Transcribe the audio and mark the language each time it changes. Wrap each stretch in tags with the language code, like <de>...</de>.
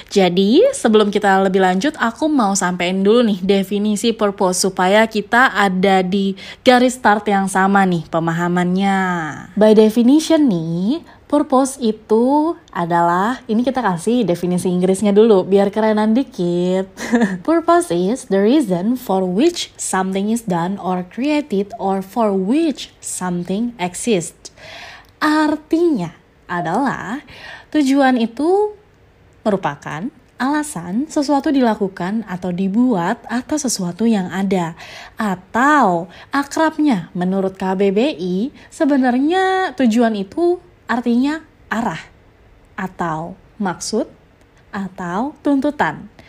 <id>Jadi, sebelum kita lebih lanjut, aku mau sampein dulu nih definisi purpose supaya kita ada di garis start yang sama nih pemahamannya.</id> <en>By definition</en> <id>nih, purpose itu adalah, ini kita kasih definisi Inggrisnya dulu biar kerenan dikit.</id> <en>Purpose is the reason for which something is done or created or for which something exists.</en> <id>Artinya adalah tujuan itu merupakan alasan sesuatu dilakukan atau dibuat atas sesuatu yang ada. Atau akrabnya menurut KBBI, sebenarnya tujuan itu artinya arah, atau maksud, atau tuntutan.</id>